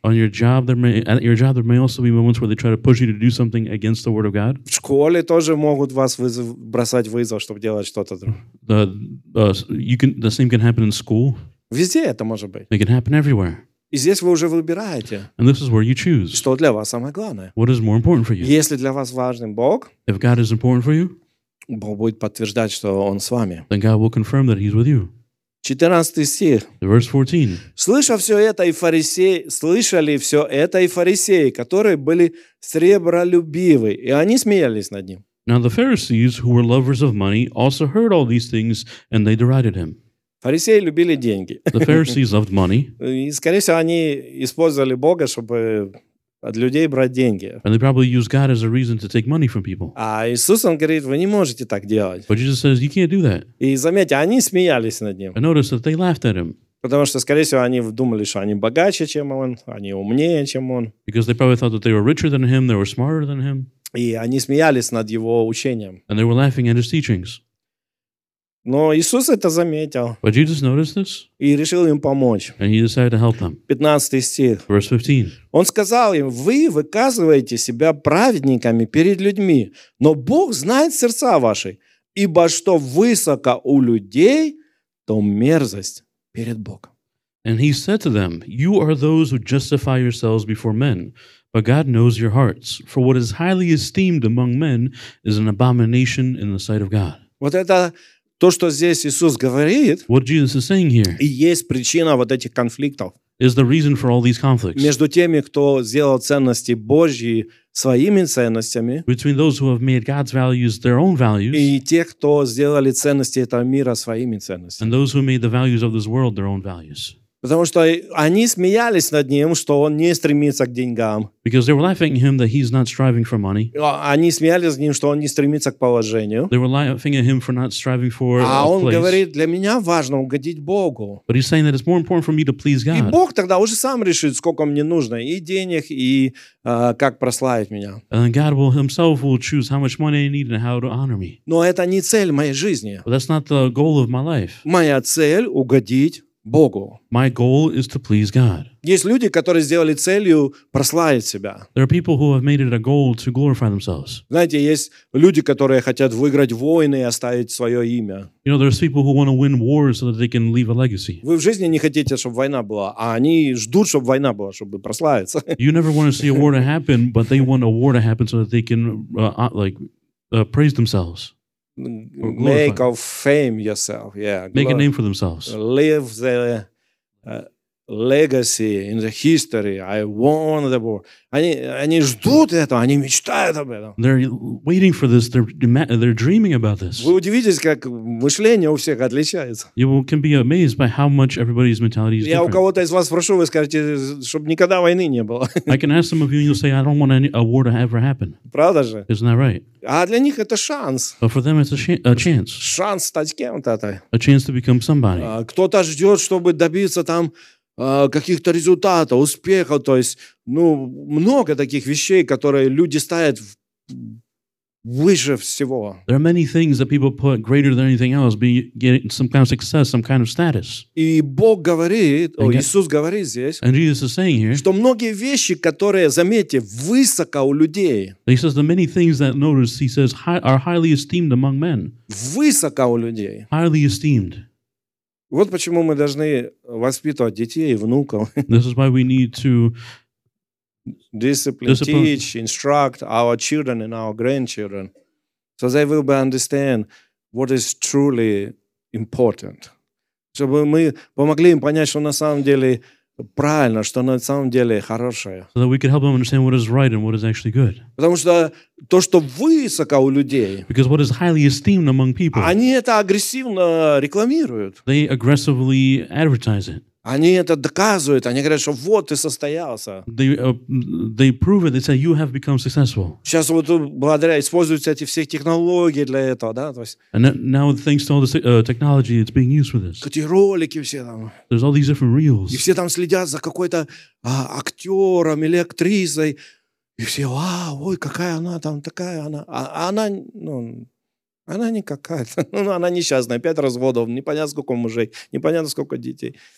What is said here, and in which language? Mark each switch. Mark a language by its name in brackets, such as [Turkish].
[English] On your job, there may also be moments where they try to push you to do something against the Word of God. [Russian] В школе тоже могут вас бросать вызов, чтобы делать что-то другое. [English] The same can happen in school. [Russian] Везде это может быть. [English] It can happen everywhere. [Russian] И здесь вы уже выбираете, [English] and this is where you choose. [Russian] Что для вас самое главное. [English] What is more important for you? [Russian] Если для вас важен Бог, [English] if God is important for you, [Russian] Бог будет подтверждать, что Он с вами. [English] Then God will confirm that He's with you. [Russian] 14 стих. [English] Verse 14. [Russian] Слышали все это и фарисеи, которые были сребролюбивы, и они смеялись над Ним. [English] Now the Pharisees, who were lovers of money, also heard all these things, and they derided Him. [Russian] Фарисеи любили деньги. [English] The Pharisees loved money. [Russian] И, скорее всего, они использовали Бога, чтобы от людей брать деньги. [English] And they probably used God as a reason to take money from people. [Russian] А Иисус, он говорит, вы не можете так делать. [English] But Jesus says, you can't do that. [Russian] И заметьте, они смеялись над ним. [English] And notice that they laughed at him. [Russian] Потому что, скорее всего, они думали, что они богаче, чем он, они умнее, чем он. [English] Because they probably thought that they were richer than him, they were smarter than him. [Russian] И они смеялись над его учением. [English] And they were laughing at his teachings. [Russian] Но Иисус это заметил. [English] But Jesus noticed this? [Russian] И решил им помочь. [English] And he decided to help them. [Russian] 15 стих. [English] Verse 15. [Russian] Он сказал им, вы выказываете себя праведниками перед людьми, но Бог знает сердца ваши, ибо что высоко у людей, то мерзость перед Богом. [English] And he said to them, you are those who justify yourselves before men, but God knows your hearts, for what is highly esteemed among men is an abomination in the sight of God. [Russian] Вот это то, что здесь Иисус говорит, [English] what Jesus is saying here, [Russian] и есть причина вот этих конфликтов [English] is the reason for all these conflicts. [Russian] Между теми, кто сделал ценности Божьи своими ценностями, [English] between those who have made God's values their own values, [Russian] и те, кто сделали ценности этого мира своими ценностями, [English] and those who made the values of this world their own values. [Russian] Потому что они смеялись над ним, что он не стремится к деньгам. [English] Because they were laughing at him that he's not striving for money. [Russian] Они смеялись над ним, что он не стремится к положению. [English] They were laughing at him for not striving for a place. [Russian] А он говорит, для меня важно угодить Богу. [English] But he's saying that it's more important for me to please God. [Russian] И Бог тогда уже сам решит, сколько мне нужно и денег, и как прославить меня. [English] And God will himself will choose how much money I need and how to honor me. [Russian] Но это не цель моей жизни. [English] But that's not the goal of my life. [Russian] Моя цель угодить Богу. [English] My goal is to please God. [Russian] Есть люди, которые сделали целью прославить себя. [English] There are people who have made it a goal to glorify themselves. [Russian] Знаете, есть люди, которые хотят выиграть войны и оставить свое имя. [English] You know, there are people who want to win wars so that they can leave a legacy. [Russian] Вы в жизни не хотите, чтобы война была, а они ждут, чтобы война была, чтобы прославиться. [English] You never want to see a war to happen, but they want a war to happen so that they can praise themselves. Make a fame yourself, yeah. Make a name for themselves. Live the legacy in the history. I won the war. [Russian] Они ждут этого, они мечтают об этом. [English] They're waiting for this. They're dreaming about this. [Russian] Вы удивитесь, как мышление у всех отличается. [English] You can be amazed by how much everybody's mentality is different. [Russian] Я у кого-то из вас спрошу, вы скажете, чтобы никогда войны не было. [English] I can ask some of you, and you'll say, I don't want a war to ever happen. [Russian] Правда же? [English] Isn't that right? [Russian] А для них это шанс. [English] But for them, it's a chance. [Russian] Шанс стать кем-то. [English] A chance to become somebody. [Russian] Кто-то ждет, чтобы добиться там каких-то результатов, успехов, то есть, ну, много таких вещей, которые люди ставят выше всего. [English] There are many things that people put greater than anything else, be getting some kind of success, some kind of status. [Russian] И Бог говорит, Иисус говорит здесь, [English] and Jesus is saying here, [Russian] что многие вещи, которые, заметьте, высоко у людей. [English] He says the many things that notice, he says, are highly esteemed among men. [Russian] Высоко у людей. [English] Highly esteemed. [Russian] Вот почему мы должны воспитывать детей и внуков. [English] This is why we need to discipline, teach, instruct our children and our grandchildren, so they will understand what is truly important. [Russian] Чтобы мы помогли им понять, что на самом деле правильно, что на самом деле хорошее. [English] So that we can help them understand what is right and what is actually good. [Russian] Потому что то, что высоко у людей, [English] because what is highly esteemed among people, [Russian] они это агрессивно рекламируют. [English] They aggressively advertise it. [Russian] Они это доказывают, они говорят, что вот ты состоялся. [English] They prove it, they say, you have become successful. [Russian] Сейчас вот благодаря используются эти все технологии для этого, да? То есть, [English] and now, thanks to all this technology, it's being used for this. [Russian] Эти ролики все там. [English] There's all these different reels. [Russian] И все там следят за какой-то актером или актрисой. И все, ой, какая она там такая, она. Она не какая-то, она несчастная. 5 разводов, непонятно сколько мужей, непонятно сколько детей.